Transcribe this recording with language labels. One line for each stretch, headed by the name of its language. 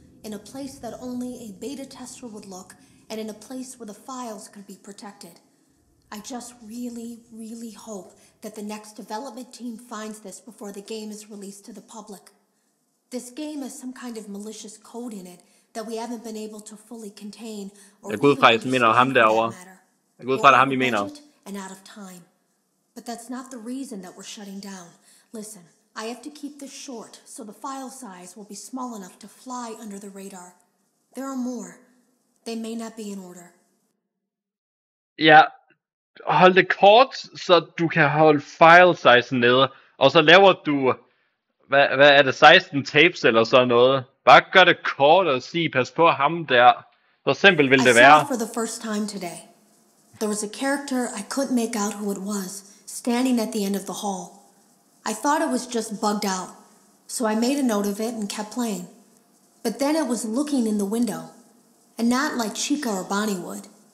English: In a place that only a beta tester would look. And in a place where the files could be protected. I just really, really hope that the next development team finds this before the game is released to the public. This game has some kind of malicious code in it that we haven't been able to fully contain
Danish: or jeg går ud fra, at I mener ham derovre. Jeg går ud fra, at ham I mener.
English: And out of time. But that's not the reason that we're shutting down. Listen, I have to keep this short so the file size will be small enough to fly under the radar. There are more. They may not be in order.
Danish: Ja, hold det kort, så du kan holde file size nede. Og så laver du, hvad er det, 16 tapes eller sådan noget. Bare gør det kort og sig, pas på ham der. Så simpelt vil det være.
English: I saw for the first time today. There was a character I couldn't make out who it was, standing at the end of the hall. I thought it was just bugged out, so I made a note of it and kept playing. But then it was looking in the window, and not like Chica or Bonnie would.